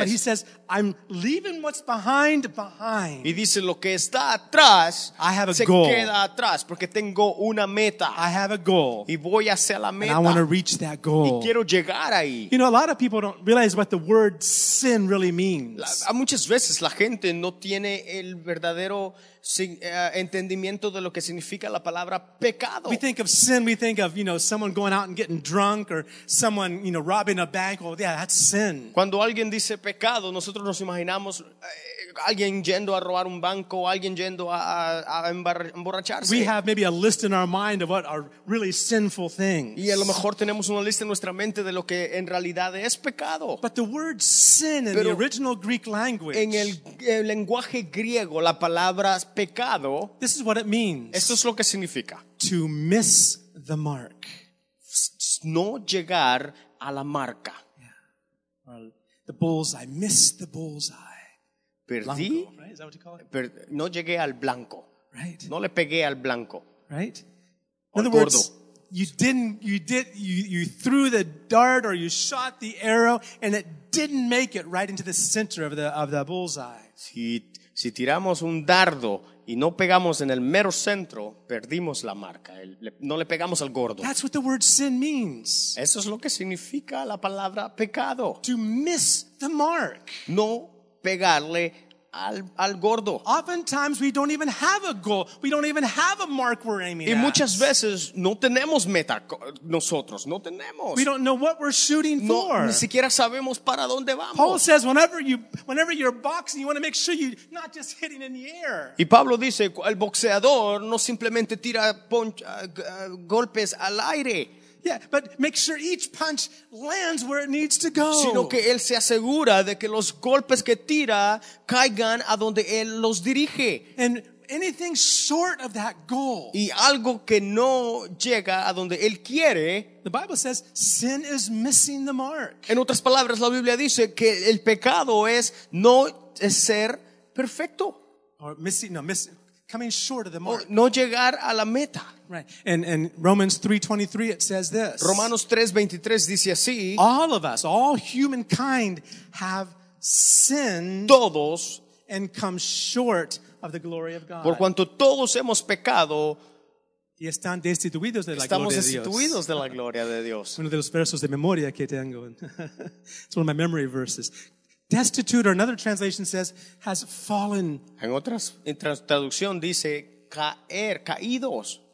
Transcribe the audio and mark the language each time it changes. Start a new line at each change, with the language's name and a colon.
English: But he says, I'm leaving what's behind behind.
Spanish: Y dice, lo que está atrás,
English: I have a
Spanish: se
English: goal.
Spanish: Queda atrás porque tengo una meta.
English: I have a goal.
Spanish: Y voy hacia la meta.
English: And I want to reach that goal.
Spanish: Y quiero llegar ahí.
English: You know, a lot of people don't realize what the word sin really means.
Spanish: Muchas veces la gente no tiene el verdadero entendimiento de lo que significa la palabra pecado.
English: We think of sin, we think of, you know, someone going out and getting drunk or someone, you know, robbing a bank. Oh, yeah, that's sin.
Spanish: Cuando alguien dice pecado, nosotros nos imaginamos alguien yendo a robar un banco o alguien yendo a emborracharse.
English: We have maybe a list in our mind of what are really sinful things.
Spanish: Y a lo mejor tenemos una lista en nuestra mente de lo que en realidad es pecado.
English: But the word sin in
Spanish: Pero
English: the original Greek language,
Spanish: en el lenguaje griego, la palabra pecado,
English: this is what it means.
Spanish: Esto es lo que significa.
English: To miss the mark.
Spanish: No llegar a la marca.
English: Yeah. Or the bullseye. Miss the bullseye.
Spanish: Perdí.
English: Blanco, right? Is that what you call it?
Spanish: No llegué al blanco.
English: Right.
Spanish: No le pegué al blanco.
English: Right. In other words, you didn't, you threw the dart or you shot the arrow and it didn't make it right into the center of the bullseye.
Spanish: Si tiramos un dardo y no pegamos en el mero centro, perdimos la marca. No le pegamos al gordo.
English: That's what the word sin means.
Spanish: Eso es lo que significa la palabra pecado.
English: To miss the mark.
Spanish: No pegarle al gordo.
English: Oftentimes we don't even have a goal. We don't even have a mark we're aiming at.
Spanish: Y muchas veces no tenemos meta nosotros. No tenemos.
English: We don't know what we're shooting for.
Spanish: Ni siquiera sabemos para dónde vamos.
English: Paul says, whenever you're boxing, you want to make sure you're not just hitting in the air.
Spanish: Y Pablo dice, el boxeador no simplemente tira golpes al aire.
English: Yeah, but make sure each punch lands where it needs to go.
Spanish: Sino que él se asegura de que los golpes que tira caigan a donde él los dirige.
English: And anything short of that goal.
Spanish: Y algo que no llega a donde él quiere.
English: The Bible says sin is missing the mark.
Spanish: En otras palabras, la Biblia dice que el pecado es no ser perfecto.
English: Or missing. Coming short of the mark.
Spanish: No llegar a la meta.
English: Right. And Romans 3:23 it says this.
Spanish: Romanos 3:23 dice así.
English: All of us, all humankind have sinned.
Spanish: Todos.
English: And come short of the glory of God.
Spanish: Por cuanto todos hemos pecado. Y están destituidos de la gloria de Dios. Estamos destituidos de la gloria de Dios. Uno de los versos de memoria que tengo.
English: It's one of my memory verses. Destitute, or another translation says, has fallen.
Spanish: En otras, en traducción dice, caer, caídos.